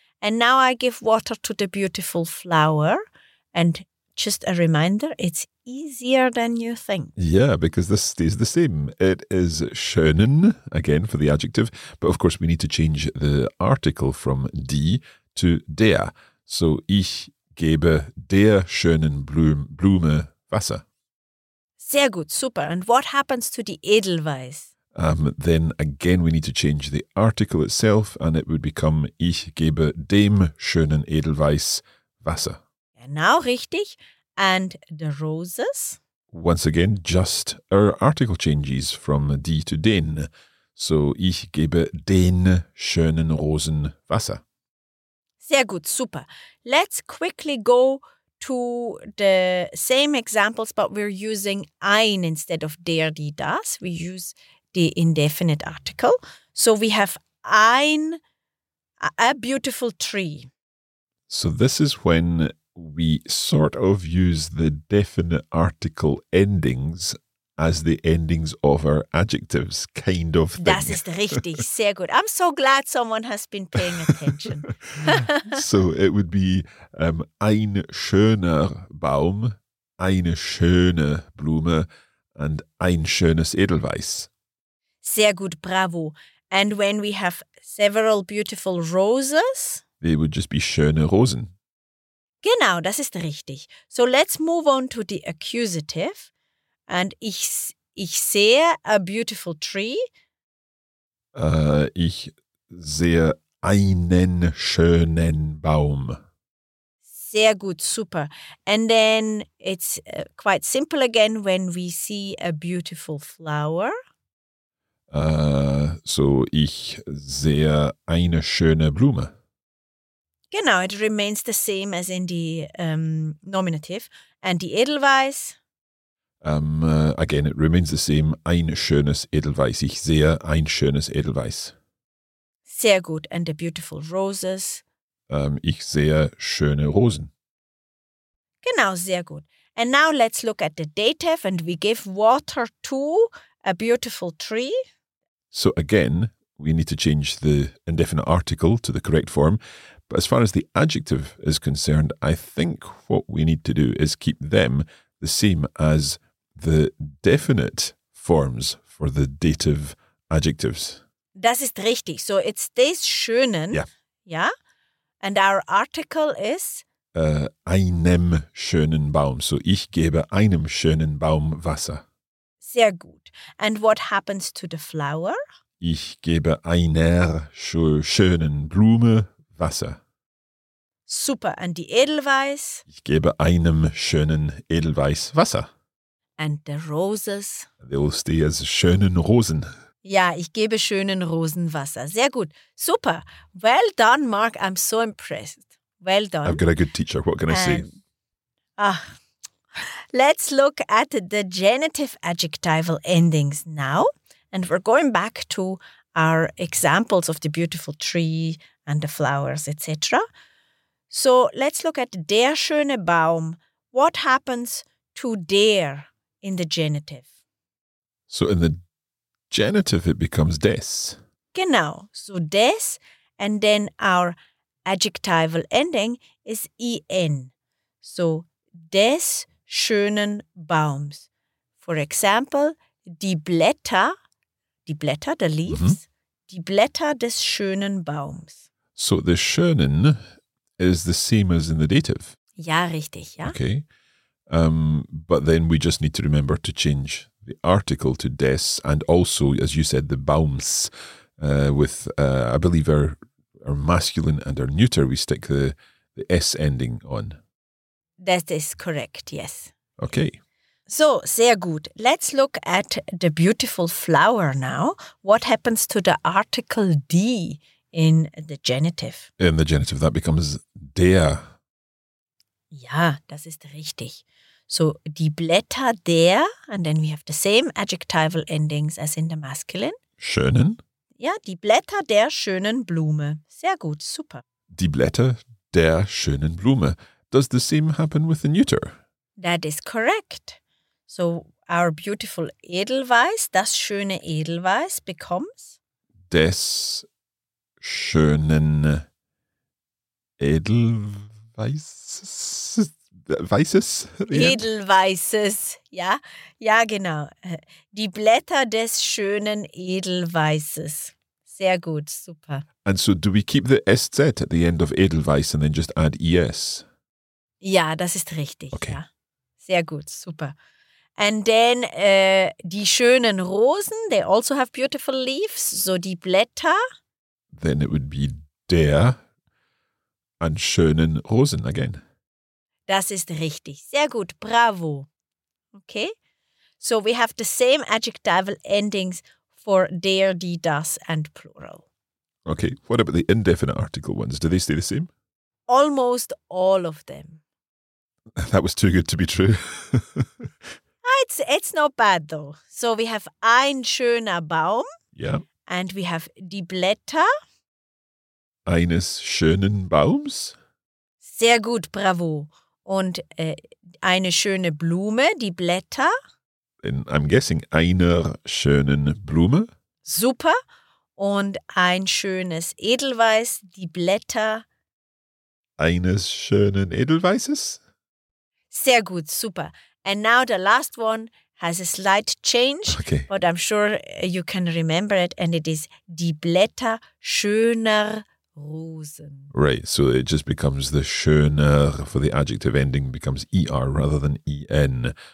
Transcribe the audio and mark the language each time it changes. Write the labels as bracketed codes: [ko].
[en] And now I give water to the beautiful flower. And just a reminder, it's easier than you think. Yeah, because this stays the same. It is schönen, again for the adjective. But of course we need to change the article from die to der. [de] So ich gebe der schönen Blume Wasser. Sehr gut, super. [en] And what happens to the Edelweiss? Then again we need to change the article itself and it would become [de] ich gebe dem schönen Edelweiss Wasser. Genau, richtig. [en] And the roses? Once again, just our article changes from die to den. So [de] ich gebe den schönen Rosen Wasser. Sehr gut, super. [en] Let's quickly go to the same examples, but we're using ein instead of der, die, das. We use the indefinite article. So we have ein, a beautiful tree. So this is when we sort of use the definite article endings as the endings of our adjectives, kind of thing. [de] Das ist richtig. Sehr gut. [en] I'm so glad someone has been paying attention. So it would be [de] ein schöner Baum, eine schöne Blume and ein schönes Edelweiß. Sehr gut. Bravo. [en] And when we have several beautiful roses? They would just be [de] schöne Rosen. Genau, das ist richtig. [en] So let's move on to the accusative. And [de] ich sehe [en] a beautiful tree. [de] Ich sehe einen schönen Baum. Sehr gut, super. [en] And then it's quite simple again when we see a beautiful flower. [de] So ich sehe eine schöne Blume. Genau, [en] it remains the same as in the nominative. And the Edelweiss? Again, it remains the same. [de] Ein schönes Edelweiss. Ich sehe ein schönes Edelweiss. Sehr gut. And the beautiful roses? Ich sehe schöne Rosen. Genau, sehr gut. [en] And now let's look at the dative and we give water to a beautiful tree. So again, we need to change the indefinite article to the correct form. But as far as the adjective is concerned, I think what we need to do is keep them the same as the definite forms for the dative adjectives. [de] Das ist richtig. [en] So it's [de] des Schönen. [en] Yeah. And our article is? [de] Einem schönen Baum. So ich gebe einem schönen Baum Wasser. Sehr gut. [en] And what happens to the flower? [de] Ich gebe einer schönen Blume Wasser. [en] Super. And the Edelweiss? [de] Ich gebe einem schönen Edelweiß Wasser. [en] And the roses? They will stay as [de] schönen Rosen. Ja, ich gebe schönen Rosen Wasser. Sehr gut. Super. [en] Well done, Mark. I'm so impressed. Well done. I've got a good teacher. What can I say? Let's look at the genitive adjectival endings now. And we're going back to our examples of the beautiful tree and the flowers, etc. So let's look at [de] der schöne Baum. [en] What happens to der in the genitive? So in the genitive it becomes des. [de] Genau, [en] so des and then our adjectival ending is en. [de] So des schönen Baums. [en] For example, [de] die Blätter, [en] the leaves, mm-hmm. [de] Die Blätter des schönen Baums. [en] So the schönen is the same as in the dative. [de] Ja, richtig, ja. [en] Okay. But then we just need to remember to change the article to des and also, as you said, the baums with, I believe, our masculine and our neuter, we stick the S ending on. That is correct, yes. Okay. [de] So, sehr gut. [en] Let's look at the beautiful flower now. What happens to the article D? In the genitive. In the genitive, that becomes der. [de] Ja, das ist richtig. [en] So, [de] die Blätter der, [en] and then we have the same adjectival endings as in the masculine. [de] Schönen. Ja, die Blätter der schönen Blume. Sehr gut, super. Die Blätter der schönen Blume. [en] Does the same happen with the neuter? That is correct. So our beautiful Edelweiss, [de] das schöne Edelweiss, [en] becomes? [de] Des schönen Edelweisses? Edelweisses, ja. Ja, genau. Die Blätter des schönen Edelweisses. Sehr gut, super. [en] And so do we keep the SZ at the end of Edelweiss and then just add ES? [de] Ja, das ist richtig. Okay. Ja. Sehr gut, super. [en] And then [de] die schönen Rosen, [en] they also have beautiful leaves. [de] So die Blätter. [en] Then it would be [de] der an schönen Rosen [en] again. [de] Das ist richtig. Sehr gut, bravo. Okay. [en] So we have the same adjectival endings for der, die, das and plural. Okay. What about the indefinite article ones? Do they stay the same? Almost all of them. That was too good to be true. it's not bad though. So we have [de] ein schöner Baum. [en] Yeah. And we have [de] die Blätter. Eines schönen Baums. Sehr gut, bravo. Und eine schöne Blume, die Blätter. [en] And I'm guessing [de] einer schönen Blume. Super. Und ein schönes Edelweiß, die Blätter. Eines schönen Edelweißes. Sehr gut, super. [en] And now the last one has a slight change, okay. But I'm sure you can remember it, and it is [de] die Blätter schöner Rosen. [en] Right, so it just becomes the schöner for the adjective ending becomes ER rather than EN.